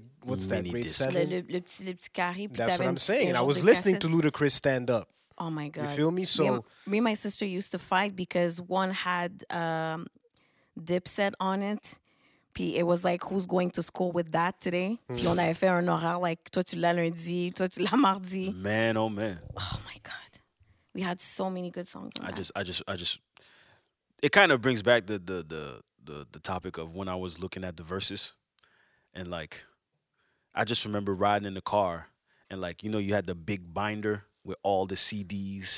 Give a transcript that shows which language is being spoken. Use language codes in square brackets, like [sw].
[en] That's what I'm saying. And I was listening to Ludacris stand up. Oh my God. You feel me? So me and my sister used to fight because one had Dipset on it. It was like, who's going to school with that today? [fr] Puis on avait fait un oral, like, toi tu l'as lundi, toi tu l'as mardi. [en] Man, oh man. Oh my God. We had so many good songs. It kind of brings back the topic of when I was looking at the verses. And, like, I just remember riding in the car. And, like, you know, you had the big binder with all the CDs.